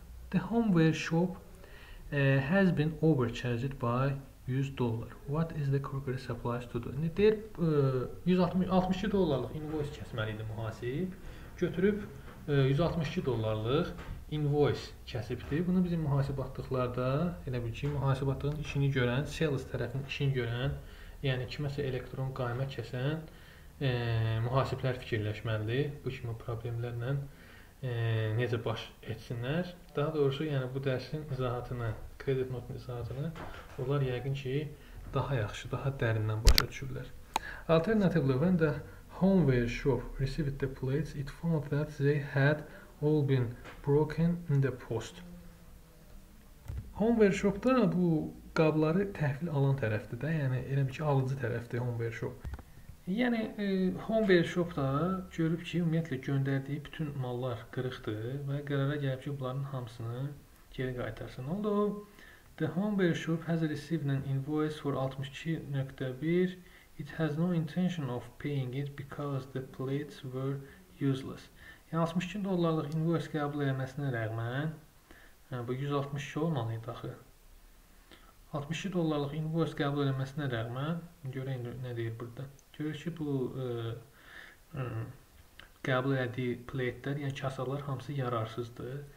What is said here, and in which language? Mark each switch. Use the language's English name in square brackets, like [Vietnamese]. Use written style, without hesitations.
[English] The homeware shop has been overcharged by 100 dollar. What is the crockery supplies to do? [Azerbaijani] Yəni deyir 162 dollarlıq invoice kəsməli idi mühasib. Götürüb 162 dollarlıq invoice kəsibdir. Bunu bizim mühasibatlıqlarda elə bil ki mühasibatlığın işini görən, sales tərəfinin işini görən, yəni kiməsə elektron qayma kəsən mühasiblər fikirləşməlidir bu kimi problemlərlə necə baş etsinlər. Daha doğrusu yəni bu dərsin izahatını kredit notun izahatını onlar yəqin ki daha yaxşı, daha dərindən başa düşüblər. [English] Alternatively, when the homeware shop received the plates, it found that they had all been broken in the post. [Azerbaijani] Homeware shopda bu qabları təhvil alan tərəfdir də, yəni elə bir ki alıcı tərəfdir homeware shop. Yəni homeware shop da görüb ki, ümumiyyətlə göndərdiyi bütün mallar qırıqdır və qərara gəlib ki, bunların hamısını geri qaytarsın. Oldu. [English] The homeware shop has received an invoice for 62.1. It has no intention of paying it because the plates were useless. [Azerbaijani] Yəni 62 dollarlıq invoice qəbul etməsinə rəğmən, bu 162 olmalı idi axı. 62 dollarlıq invoice qəbul etməsinə rəğmən, görək nə deyir burada. Görür ki, bu qəbul etdiyi plate-lər, yəni kasalar hamısı yararsızdır.